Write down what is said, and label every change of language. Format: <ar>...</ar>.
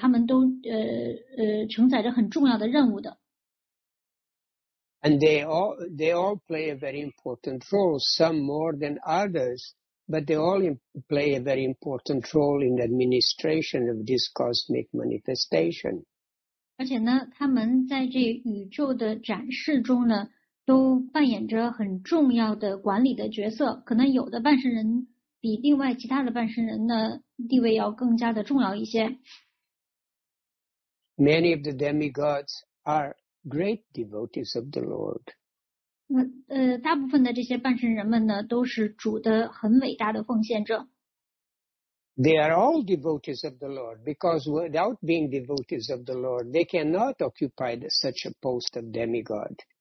<zh>但是呢，我们对于半神人们是心怀极大的敬意的，因为他们在于整个物质创造的管理中呢，是处于就是他们都承载着很重要的任务的。</zh> <en>And they all play a very important role, some more than others, but they all play a very important role in the administration of this cosmic manifestation.</en> <zh>而且呢，他们在这宇宙的展示中呢，都扮演着很重要的管理的角色。可能有的半神人比另外其他的半神人呢地位要更加的重要一些。</zh> <en>Many of the demigods are great devotees of the Lord.</en> <zh>大部分的这些半神人们呢，都是主的很伟大的奉献者。</zh> <en>They are all devotees of the Lord because without being devotees of the Lord, they cannot occupy such a post of demigod.</en>